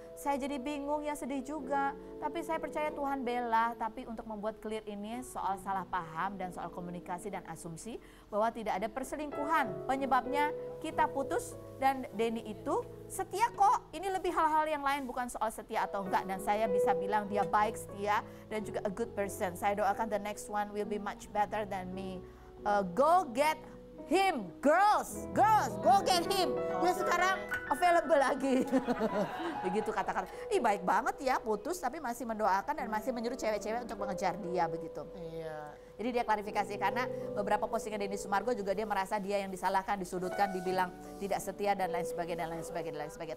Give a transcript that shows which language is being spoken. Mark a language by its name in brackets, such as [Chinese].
[Indonesian] Saya jadi bingung ya, sedih juga. Tapi saya percaya Tuhan bela, tapi untuk membuat clear ini soal salah paham dan soal komunikasi dan asumsi bahwa tidak ada perselingkuhan. Penyebabnya kita putus dan Denny itu setia kok. Ini lebih hal-hal yang lain, bukan soal setia atau enggak. Dan saya bisa bilang dia baik, setia dan juga [English] a good person. [Indonesian] Saya doakan [English] the next one will be much better than me. Go get him, girls, go get him. [Indonesian] Dia sekarang available lagi. Begitu kata-kata. Ih, baik banget ya, putus tapi masih mendoakan dan masih menyuruh cewek-cewek untuk mengejar dia begitu. Iya. Jadi dia klarifikasi karena beberapa postingan Denny Sumargo juga dia merasa dia yang disalahkan, disudutkan, dibilang tidak setia dan lain sebagainya dan lain sebagainya dan lain sebagainya.